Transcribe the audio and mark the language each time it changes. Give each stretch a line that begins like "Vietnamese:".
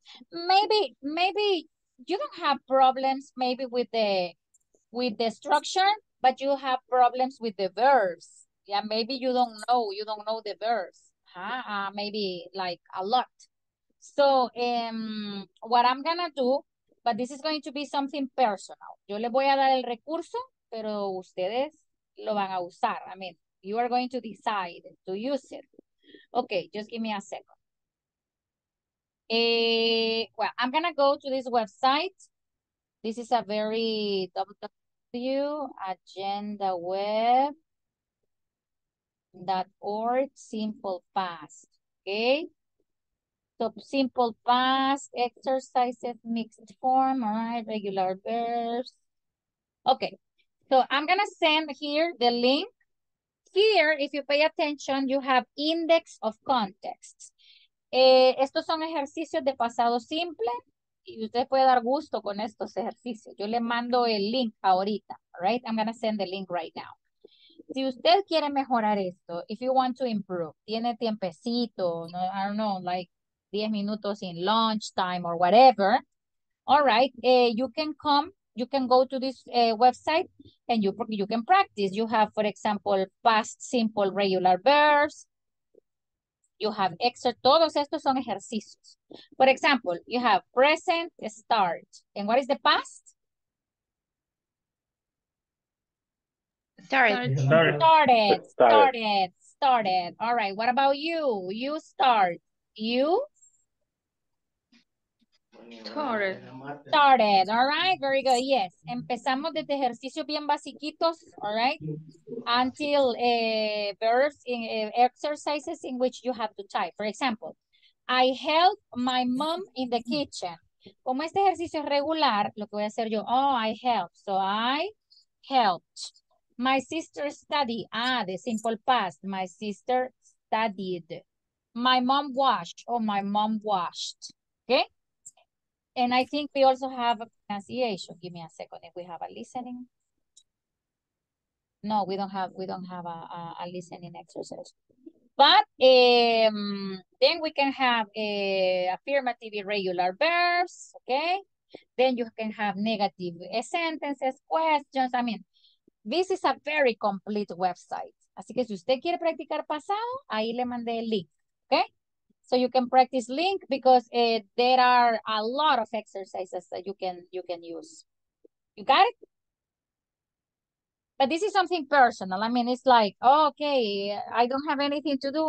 English: Maybe you don't have problems maybe with the structure, but you have problems with the verbs. Yeah, maybe you don't know the verbs. Maybe like a lot. So what I'm gonna do, but this is going to be something personal.
Spanish: Yo le voy a dar el recurso, pero ustedes lo van a usar.
English: I mean, you are going to decide to use it. Okay, just give me a second. Well, I'm going to go to this website. This is a very www.agendaweb.org simple past. Okay. So simple past, exercises, mixed form, all right, regular verbs. Okay. So I'm going to send here the link. Here, if you pay attention, you have index of context.
Spanish: Estos son ejercicios de pasado simple. Y usted puede dar gusto con estos ejercicios. Yo le mando el link ahorita,
English: right? I'm going to send the link right now.
Spanish: Si usted quiere mejorar esto,
English: if you want to improve,
Spanish: tiene tiempecito, no,
English: I don't know, like 10
Spanish: minutos
English: in lunch time or whatever, all right, you can come. You can go to this website and you can practice. You have, for example, past simple regular verbs. You have excerpt.
Spanish: Todos estos son ejercicios.
English: For example, you have present start. And what is the past? Started. All right. What about you? You start. You? Started. All right. Very good. Yes.
Spanish: Empezamos desde ejercicios bien basiquitos.
English: All right. Until verbs in exercises in which you have to type. For example, I help my mom in the kitchen.
Spanish: Como este ejercicio es regular, lo que voy a hacer yo, oh,
English: I help. So I helped. My sister studied. Ah, the simple past. My sister studied. My mom washed. Oh, my mom washed. Okay. And I think we also have a pronunciation. Give me a second if we have a listening. No, we don't have a listening exercise. But then we can have affirmative irregular verbs, okay? Then you can have negative sentences, questions. I mean, this is a very complete website.
Spanish: Así que si usted quiere practicar pasado, ahí le mandé el link, okay?
English: So you can practice link because there are a lot of exercises that you can use. You got it? But this is something personal. I mean, it's like, oh, okay, I don't have anything to do.